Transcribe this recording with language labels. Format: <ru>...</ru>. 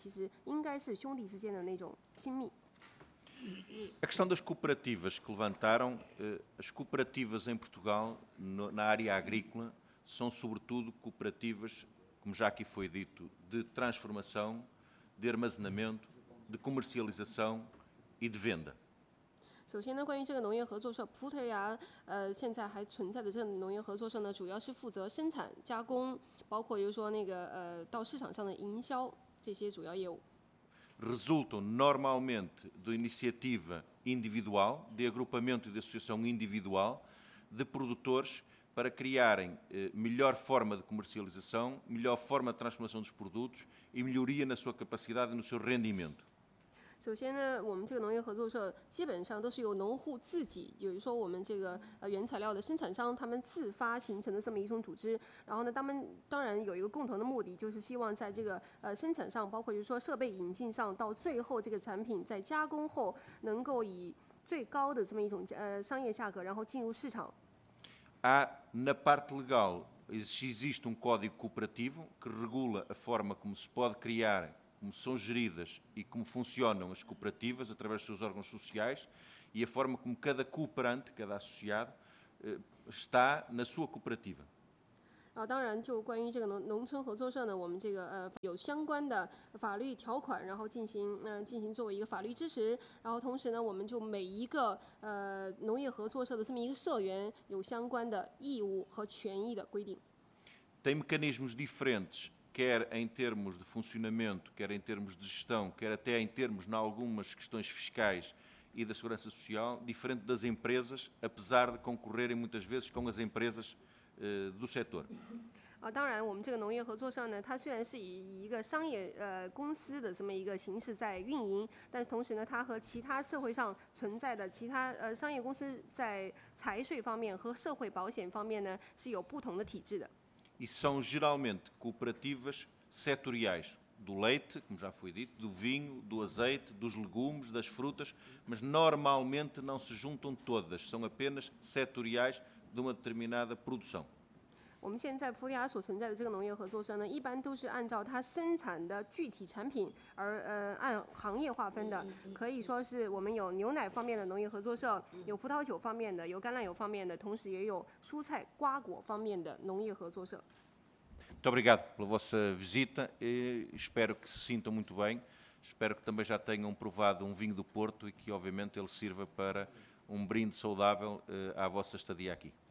<zh>首先呢，非常欢迎大家来到葡萄牙议会，而且呢，这个中葡之间的友谊，尤其是我们作为这个澳门，澳门呢，作为我们整个这么一个葡萄牙帝国在海外的这么一些所属领地呢，是到现在为止，从1999年我们归还这个澳门给中国政府呢，到现在其实10年都还不到，所以我们的关系呢，其实应该是兄弟之间的那种亲密。</zh> <pt>A questão das cooperativas que levantaram, as cooperativas em Portugal, na área agrícola, são sobretudo cooperativas, como já aqui foi dito, de transformação, de armazenamento, de comercialização e de venda.</pt> <zh>首先呢，关于这个农业合作社，葡萄牙现在还存在的这个农业合作社呢，主要是负责生产、加工，包括就是说那个到市场上的营销这些主要业务。</zh> <pt>Resultam normalmente de iniciativa individual, de agrupamento e de associação individual de produtores para criarem melhor forma de comercialização, melhor forma de transformação dos produtos e melhoria na sua capacidade e no seu rendimento.</pt> <zh>首先呢，我们这个农业合作社基本上都是由农户自己，比如说我们这个原材料的生产商，他们自发形成的这么一种组织。然后呢，他们当然有一个共同的目的，就是希望在这个生产上，包括就是说设备引进上，到最后这个产品在加工后，能够以最高的这么一种商业价格，然后进入市场。</zh> <pt>Há, na parte legal, existe um código cooperativo que regula a forma como se pode criar, como são geridas e como funcionam as cooperativas através dos seus órgãos sociais e a forma como cada cooperante, cada associado, está na sua cooperativa.</pt> <zh>啊，当然，就关于这个农村合作社呢，我们这个有相关的法律条款，然后进行作为一个法律支持。然后同时呢，我们就每一个农业合作社的这么一个社员有相关的义务和权益的规定。</zh> <pt>Tem mecanismos diferentes, quer em termos de funcionamento, quer em termos de gestão, quer até em termos, em algumas questões fiscais e da segurança social, diferente das empresas, apesar de concorrerem muitas vezes com as empresas. Do setor.</pt> <zh>当然我们这个农业合作社呢，它虽然是以一个商业公司的这么一个形式在运营，但是同时呢，它和其他社会上存在的其他商业公司在财税方面和社会保险方面呢是有不同的体制的。</zh> <pt>E são geralmente cooperativas setoriais do leite, como já foi dito, do vinho, do azeite, dos legumes, das frutas, mas normalmente não se juntam todas, são apenas setoriais. De uma determinada produção.</pt> <zh>我们现在普利亚所存在的这个农业合作社呢，一般都是按照它生产的具体产品而按行业划分的。可以说是我们有牛奶方面的农业合作社，有葡萄酒方面的，有橄榄油方面的，同时也有蔬菜瓜果方面的农业合作社。</zh> <pt>Muito obrigado pela vossa visita e espero que se sintam muito bem. Espero que também já tenham provado vinho do Porto e que obviamente ele sirva para brinde saudável à vossa estadia aqui.</pt>